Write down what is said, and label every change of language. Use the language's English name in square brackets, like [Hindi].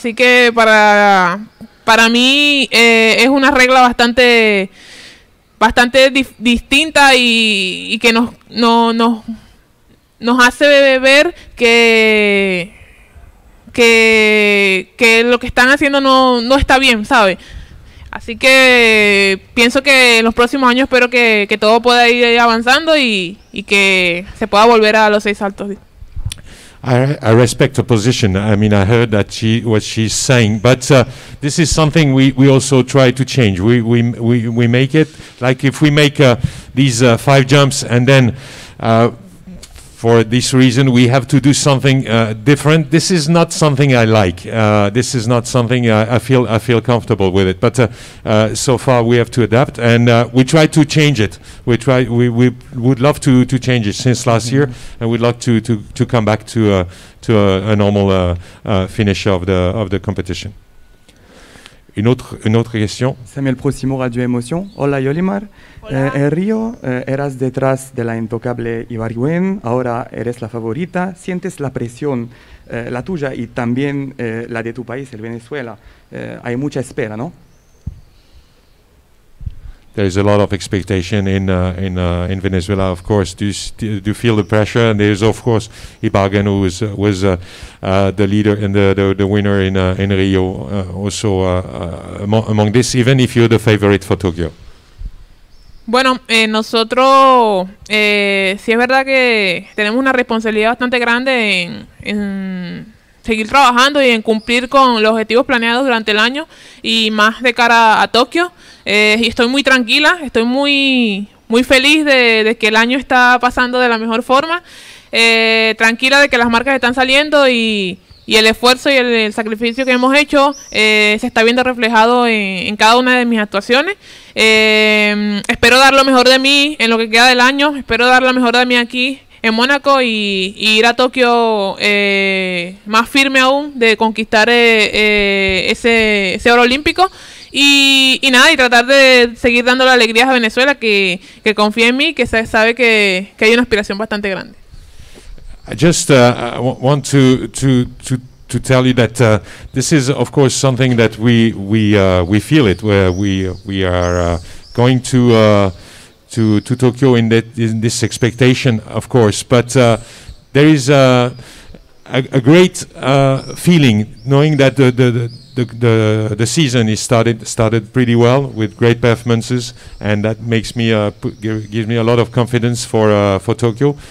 [Spanish] Así que para mí es una regla bastante distinta y que nos hace ver que lo que están haciendo no está bien, ¿sabe? Así que pienso que en los próximos años espero que todo pueda ir avanzando y que se pueda volver a los seis saltos. [English] I respect her position. I mean, I heard that she what she's saying, but this is something we also try to change. We make it like if we make these five jumps, and then for this reason we have to do something different. This is not something I like. This is not something I feel comfortable with it. But so far we have to adapt, and we try to change it. We would love to change it since last mm-hmm. year, and we'd like to come back to a normal finish of the competition. [French] Une autre question. [Spanish] Samuel Prosimo, Radio Emotion. Hola, Yulimar. Hola. En Río eras detrás de la intocable Ibargüen, ahora eres la favorita. ¿Sientes la presión, la tuya y también la de tu país, el Venezuela? Hay mucha espera, ¿no? [English] There is a lot of expectation in Venezuela, of course. Do you feel the pressure? And there is, of course, Ibargüen, who was the leader and the winner in Rio, also among this, even if you're the favorite for Tokyo. [Spanish] Bueno, nosotros sí es verdad que tenemos una responsabilidad bastante grande en seguir trabajando y en cumplir con los objetivos planeados durante el año y más de cara a Tokio. Y estoy muy tranquila, estoy muy muy feliz de que el año está pasando de la mejor forma. Tranquila de que las marcas están saliendo y el esfuerzo y el sacrificio que hemos hecho se está viendo reflejado en cada una de mis actuaciones. Espero dar lo mejor de mí en lo que queda del año. Espero dar lo mejor de mí aquí en Mónaco y ir a Tokio más firme aún de conquistar ese oro olímpico. Y nada, y tratar de seguir dando la alegría a Venezuela, que confía en mí, que sabe que hay una aspiración bastante grande. [English] I just want to tell you that this is of course something that we feel it, where we are going to Tokyo in this expectation, of course, but there is a great feeling knowing that the season is started pretty well with great performances, and that makes me gives me a lot of confidence for Tokyo.